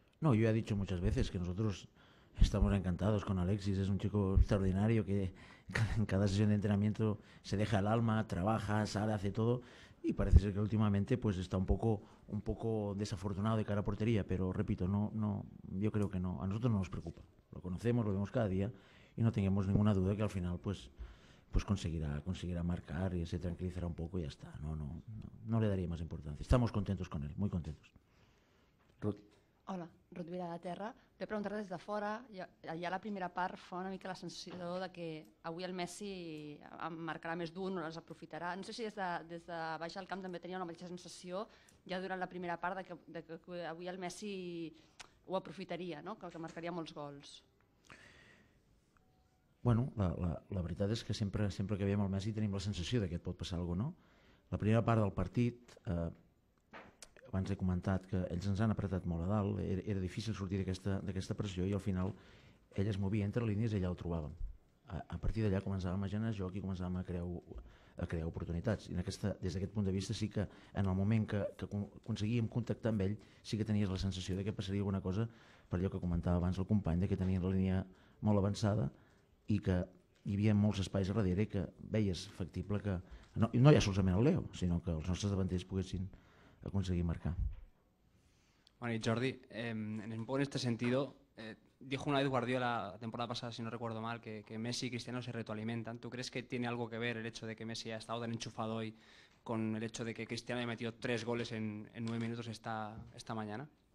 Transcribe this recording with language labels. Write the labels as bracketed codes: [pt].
[es] No, yo ya he dicho muchas veces que nosotros estamos encantados con Alexis, es un chico extraordinario que en cada sesión de entrenamiento se deja el alma, trabaja, sale, hace todo y parece ser que últimamente pues está un poco desafortunado de cara a portería, pero repito, no yo creo que no, a nosotros no nos preocupa, lo conocemos, lo vemos cada día y no tengamos ninguna duda que al final pues conseguirá marcar y se tranquilizará un poco y ya está, no le daría más importancia, estamos contentos con él, muy contentos. Ruth. [ca] Hola, Ruth Vila de la Terra. T'he preguntat des de fora, ja la primera part fa una mica la sensació de que avui el Messi marcarà més d'un o les aprofitarà. No sé si des de baix al camp també tenia la mateixa sensació ja durant la primera part de que avui el Messi ho aprofitaria, no? que marcaria molts gols. Bueno, la veritat és que sempre que veiem el Messi tenim la sensació que et pot passar alguna cosa, no? La primera part del partit, abans he comentat que ells ens han apretat molt a dalt, era difícil sortir d'aquesta pressió i al final ell es movia entre línies i allà ho trobàvem. A partir d'allà començàvem a generar joc i començàvem a crear oportunitats. I des d'aquest punt de vista sí que en el moment que aconseguíem contactar amb ell sí que tenies la sensació que passaria alguna cosa per allò que comentava abans el company, que tenien la línia molt avançada i que hi havia molts espais a darrere que veies factible que no hi ha solament el Leo, sinó que els nostres davanters poguessin aconseguir marcar. [es] Bueno, y Jordi, un poco en este sentido, dijo una vez Guardiola la temporada pasada, si no recuerdo mal, que Messi y Cristiano se retroalimentan. ¿Tú crees que tiene algo que ver el hecho de que Messi ha estado tan enchufado hoy con el hecho de que Cristiano haya metido 3 goles en 9 minutos esta mañana?